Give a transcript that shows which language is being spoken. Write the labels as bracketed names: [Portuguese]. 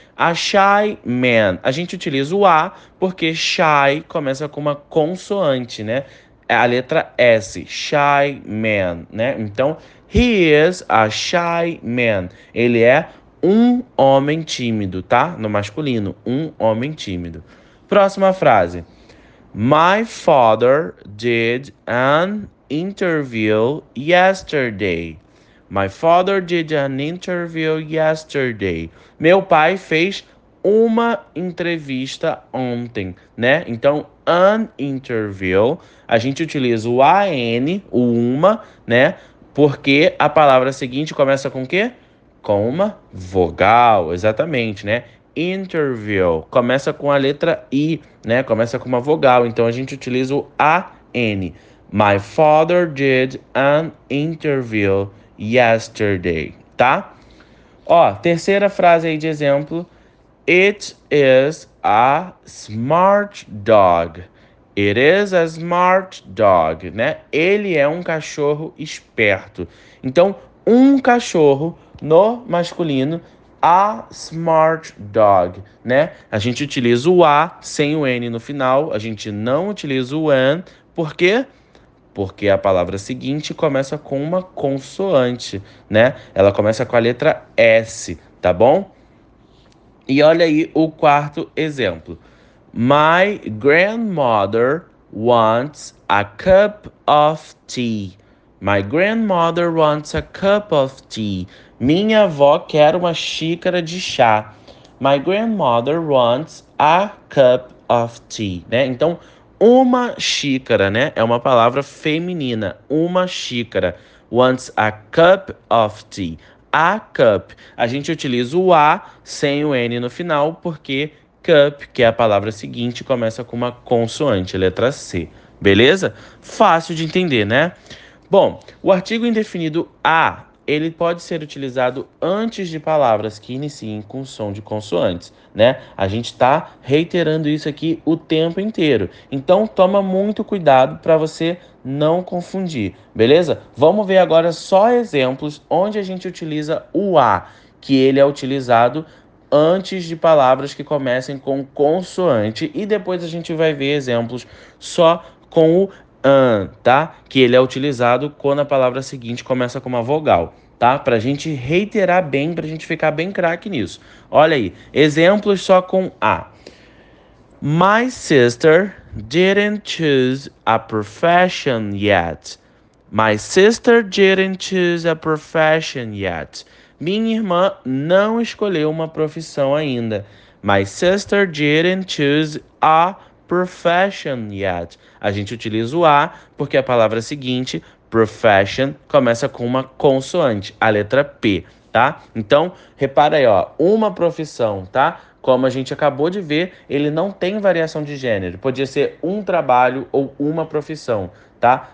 [English] A shy man. [Portuguese] A gente utiliza o A porque shy começa com uma consoante, né? É a letra S. Shy man, né? Então, [English] he is a shy man. [Portuguese] Ele é um homem tímido, tá? No masculino, um homem tímido. Próxima frase. [English] My father did an interview yesterday. My father did an interview yesterday. [Portuguese] Meu pai fez uma entrevista ontem, né? Então, [English] an interview, [Portuguese] a gente utiliza o AN, o uma, né? Porque a palavra seguinte começa com o quê? Com uma vogal, exatamente, né? Interview. Começa com a letra I, né? Começa com uma vogal. Então a gente utiliza o AN. [English] My father did an interview yesterday, tá? [Portuguese] Ó, terceira frase aí de exemplo. [English] It is a smart dog. It is a smart dog, né? [Portuguese] Ele é um cachorro esperto. Então, um cachorro. No masculino, [English] a smart dog, [Portuguese] né? A gente utiliza o A sem o N no final, a gente não utiliza o an, por quê? Porque a palavra seguinte começa com uma consoante, né? Ela começa com a letra S, tá bom? E olha aí o quarto exemplo. [English] My grandmother wants a cup of tea. My grandmother wants a cup of tea. [Portuguese] Minha avó quer uma xícara de chá. [English] My grandmother wants a cup of tea, né? [Portuguese] Então, uma xícara, né? É uma palavra feminina, uma xícara. [English] Wants a cup of tea. A cup. [Portuguese] A gente utiliza o A sem o N no final, porque cup, que é a palavra seguinte, começa com uma consoante, letra C. Beleza? Fácil de entender, né? Bom, o artigo indefinido A, ele pode ser utilizado antes de palavras que iniciem com som de consoantes, né? A gente está reiterando isso aqui o tempo inteiro. Então, toma muito cuidado para você não confundir, beleza? Vamos ver agora só exemplos onde a gente utiliza o A, que ele é utilizado antes de palavras que comecem com consoante. E depois a gente vai ver exemplos só com o tá? Que ele é utilizado quando a palavra seguinte começa com uma vogal, tá? Pra gente reiterar bem, pra gente ficar bem craque nisso. Olha aí, exemplos só com A. [English] My sister didn't choose a profession yet. My sister didn't choose a profession yet. [Portuguese] Minha irmã não escolheu uma profissão ainda. [English] My sister didn't choose a profession yet. [Portuguese] A gente utiliza o A porque a palavra seguinte, profession, começa com uma consoante, a letra P, tá? Então, repara aí, ó, uma profissão, tá? Como a gente acabou de ver, ele não tem variação de gênero. Podia ser um trabalho ou uma profissão, tá?